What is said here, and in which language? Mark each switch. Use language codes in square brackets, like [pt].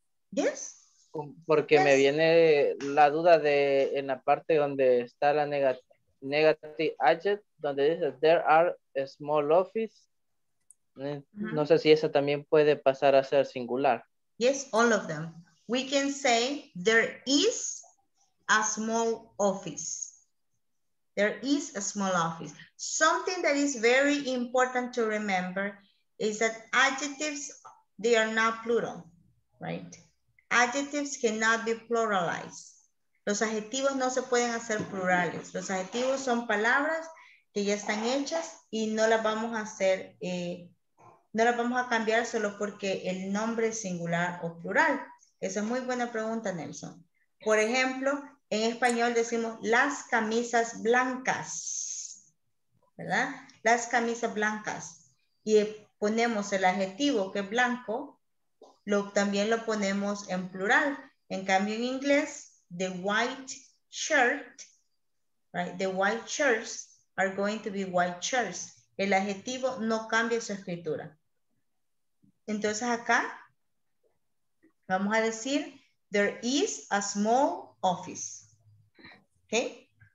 [en] Yes. [es] Porque yes. Me viene la duda de en la parte donde está la negative adjective, donde dice [en] there are small office. [es] No sé si esa también puede pasar a ser singular. [en] Yes, all of them. We can say there is a small office. There is a small office. Something that is very important to remember is that adjectives, they are not plural, right? Adjectives cannot be pluralized. [es] Los adjetivos no se pueden hacer plurales. Los adjetivos son palabras que ya están hechas y no las vamos a hacer no las vamos a cambiar solo porque el nombre es singular o plural. Esa es muy buena pregunta, Nelson. Por ejemplo, en español decimos las camisas blancas, ¿verdad? Las camisas blancas. Y ponemos el adjetivo que es blanco, también lo ponemos en plural. En cambio, en inglés, [en] the white shirt, right? The white shirts are going to be white shirts. [es] El adjetivo no cambia su escritura. Entonces acá vamos a decir, [en] there is a small office. [es] Okay?